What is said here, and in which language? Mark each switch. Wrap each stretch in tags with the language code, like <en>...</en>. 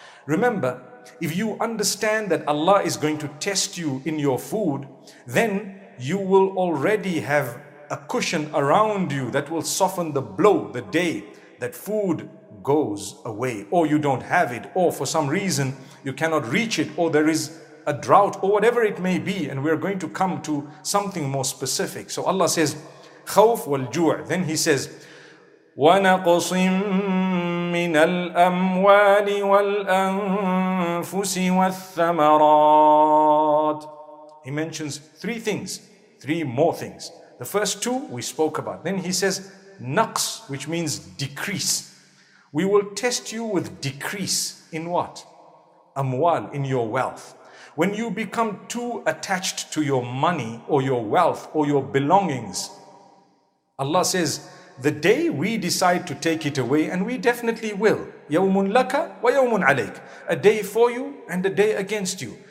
<en>Remember, if you understand that Allah is going to test you in your food, then you will already have a cushion around you that will soften the blow the day that food goes away, or you don't have it, or for some reason you cannot reach it, or there is a drought, or whatever it may be. And we're going to come to something more specific. So Allah says, khawf wal ju'. Then He says,</en> <ar>وَنَقْصِمْ مِنَ الْأَمْوَالِ وَالْأَنفُسِ وَالثَّمَرَاتِ.</ar> <en>He mentions three more things. The first two we spoke about. Then He says, naqs, which means decrease. We will test you with decrease in what? Amwal, in your wealth. When you become too attached to your money or your wealth or your belongings, Allah says, the day we decide to take it away, and we definitely will,</en> <ar>يَوْمٌ لَكَ وَيَوْمٌ عَلَيْكَ,</ar> <en>a day for you and a day against you.</en>